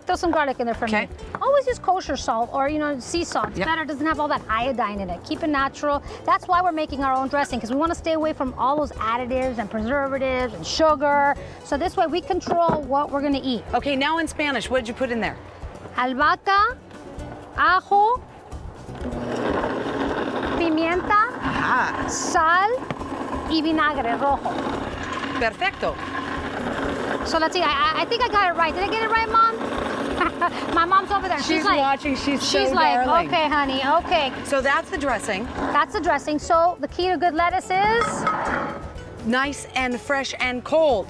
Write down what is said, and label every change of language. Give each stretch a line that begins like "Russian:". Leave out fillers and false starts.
English: Throw some garlic in there for me. Always use kosher salt or, you know, sea salt. It's better. It doesn't have all that iodine in it. Keep it natural. That's why we're making our own dressing, because we want to stay away from all those additives and preservatives and sugar. So this way we control what we're going to eat. Okay, now in Spanish, what did you put in there?
Spanish: Albahaca, ajo, pimienta, sal, y vinagre rojo. Perfecto.
English: So let's see, I think I got it right. Did I get it right, Mom? My mom's over there. She's like, watching, she's so like, darling. Okay, honey, okay. So that's the dressing. That's the dressing. So the key to good lettuce is? Nice and fresh and cold.